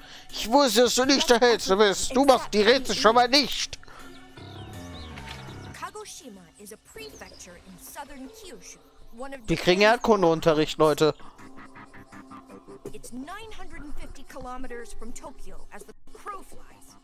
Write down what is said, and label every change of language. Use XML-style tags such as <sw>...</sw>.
<de>Ich wusste, dass du nicht der Hellste bist. Du machst die Rätsel schon mal nicht.</de> <en>Kagoshima is a prefecture in southern Kyushu.</en> <de>Wir kriegen Erdkundeunterricht, Leute.</de> <en>It's 950 kilometers from Tokyo as the crow flies.</en>